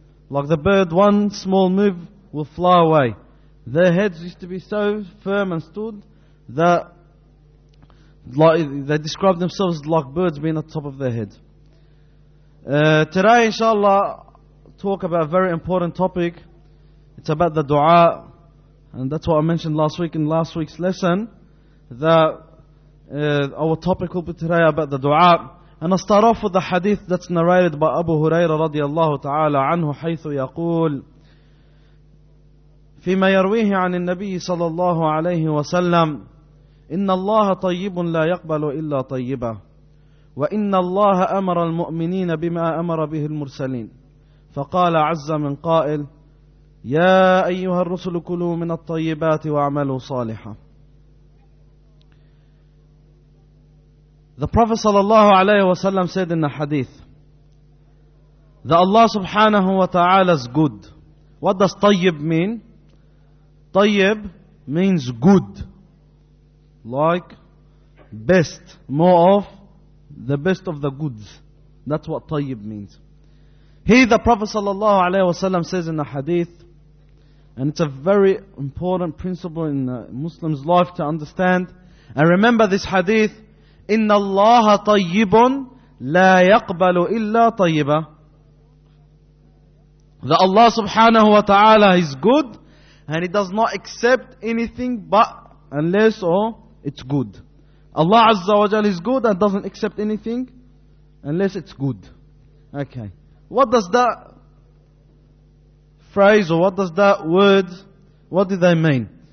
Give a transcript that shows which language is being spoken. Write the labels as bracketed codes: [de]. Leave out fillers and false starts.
[en] Like the bird, one small move will fly away. Their heads used to be so firm and stood that like, they described themselves like birds being on top of their head. Today, inshallah, talk about a very important topic. It's about the dua, and that's what I mentioned last week in last week's lesson, that our topic will be today about the dua. And I'll start off with the hadith that's narrated by Abu Huraira radiallahu ta'ala anhu, [ar] حيث يقول فيما يرويه عن النبي صلى الله عليه وسلم إن الله طيب لا يقبل إلا طيبا وإن الله أمر المؤمنين بما أمر به المرسلين فقال عز من قائل يا أيها الرسل كلوا من الطيبات وعملوا صالحا. [en] The Prophet sallallahu alayhi wa sallam said in the hadith that Allah subhanahu wa ta'ala is good. What does tayyib mean? Tayyib means good. Like best, more of the best of the goods. That's what tayyib means. He, the Prophet sallallahu alayhi wa sallam, says in the hadith, and it's a very important principle in a Muslim's life to understand. And remember this hadith, [ar] إِنَّ اللَّهَ طَيِّبٌ لَا يَقْبَلُ إِلَّا طَيِّبًا. [en] That Allah subhanahu wa ta'ala is good, and He does not accept anything but unless it's good. Allah azza wa jal is good and doesn't accept anything unless it's good. Okay. What does that phrase, or what does that word, what do they mean?